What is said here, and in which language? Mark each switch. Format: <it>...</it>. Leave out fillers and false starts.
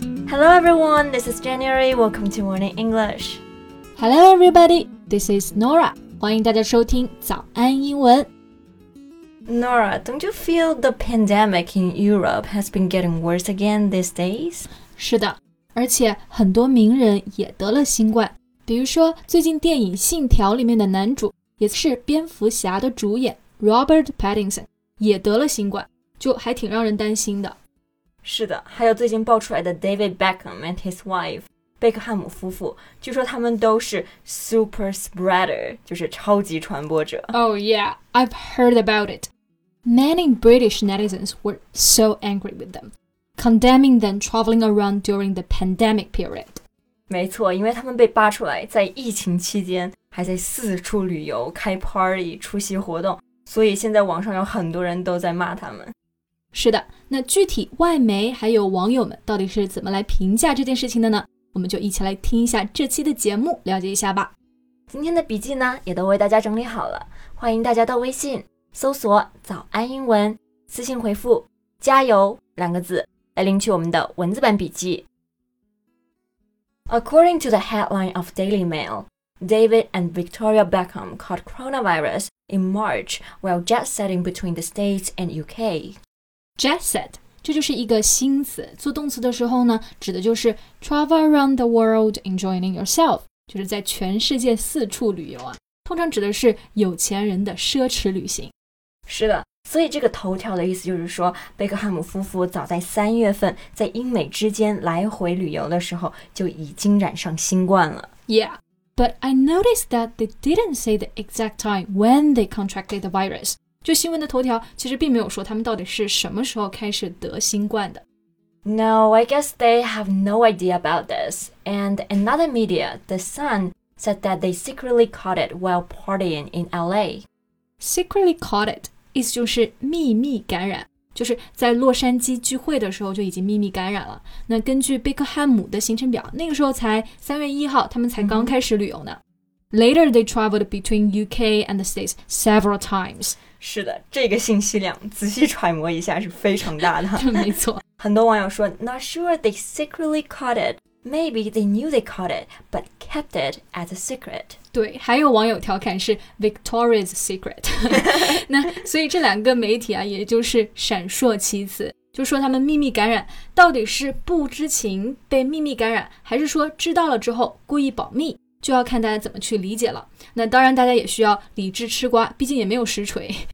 <en>Hello everyone, this is January. Welcome to Morning English. Hello everybody, this is Nora.</en> <zh>欢迎大家收听早安英文。</zh> <en>Nora, don't you feel the pandemic in Europe has been getting worse again these days?</en> <zh>是的，而且很多名人也得了新冠。比如说最近电影《信条》里面的男主，也是蝙蝠侠的主演 Robert Pattinson, 也得了新冠，就还挺让人担心的。是的，还有最近爆出来的</zh> <en>David Beckham and his wife,</en> <zh>贝克汉姆夫妇，据说他们都是</zh> <en>super spreader,</en> <zh>就是超级传播者。</zh> <en>Oh yeah, I've heard about it. Many British netizens were so angry with them, condemning them traveling around during the pandemic period.</en> <zh>没错，因为他们被扒出来在疫情期间还在四处旅游、开 party、出席活动，所以现在网上有很多人都在骂他们。是的，那具体外媒还有网友们到底是怎么来评价这件事情的呢？我们就一起来听一下这期的节目，了解一下吧。今天的笔记呢，也都为大家整理好了，欢迎大家到微信搜索“早安英文”，私信回复“加油”两个字来领取我们的文字版笔记。</zh> <en>According to the headline of Daily Mail, David and Victoria Beckham caught coronavirus in March while jet-setting between the States and UK.</en> <zh>Jet set, 这就是一个新词，做动词的时候呢，指的就是</zh> <en>travel around the world enjoying yourself,</en> <zh>就是在全世界四处旅游啊，通常指的是有钱人的奢侈旅行。是的，所以这个头条的意思就是说，贝克汉姆夫妇早在三月份在英美之间来回旅游的时候就已经染上新冠了。</zh> <en>Yeah, but I noticed that they didn't say the exact time when they contracted the virus.</en> <zh>就新闻的头条其实并没有说他们到底是什么时候开始得新冠的。</zh> <en>No, I guess they have no idea about this. And another media, The Sun, said that they secretly caught it while partying in LA. Secretly caught it,</en> <zh>意思就是秘密感染，就是在洛杉矶聚会的时候就已经秘密感染了。那根据贝克汉姆的行程表，那个时候才3月1号，他们才刚开始旅游呢。 Mm-hmm.</zh> <en>Later, they traveled between UK and the States several times.</en> <zh>是的，这个信息量仔细揣摩一下是非常大的。没错，很多网友说</zh> <en>，Not sure they secretly caught it. Maybe they knew they caught it, but kept it as a secret.</en> <zh>对，还有网友调侃是 Victoria's secret. 那所以这两个媒体啊，也就是闪烁其词，就说他们秘密感染，到底是不知情被秘密感染，还是说知道了之后故意保密？就要看大家怎么去理解了。那当然大家也需要理智吃瓜，毕竟也没有实锤。</zh>